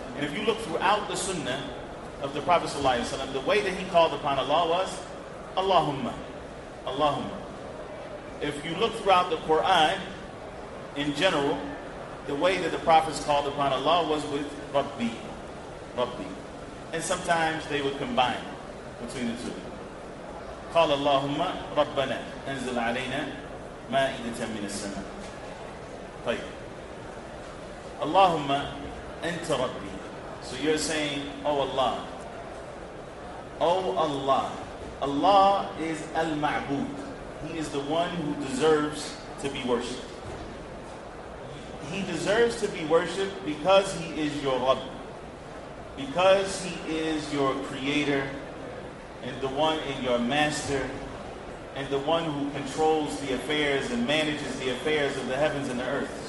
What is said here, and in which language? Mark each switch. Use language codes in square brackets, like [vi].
[en] And if you look throughout the sunnah of the Prophet sallallahu alayhi wasalam, the way that he called upon Allah was Allahumma, Allahumma. If you look throughout the Quran in general, the way that the Prophets called upon Allah was with Rabbi, Rabbi. And sometimes they would combine between the two. [ar] قال اللهم ربنا انزل علينا مائدة من السماء. طيب. اللهم انت ربي. [en] So you're saying, oh Allah. Oh Allah. Allah is al-ma'bud. He is the one who deserves to be worshipped. He deserves to be worshipped because he is your Rabb. Because He is your creator and the one and your master and the one who controls the affairs and manages the affairs of the heavens and the earth.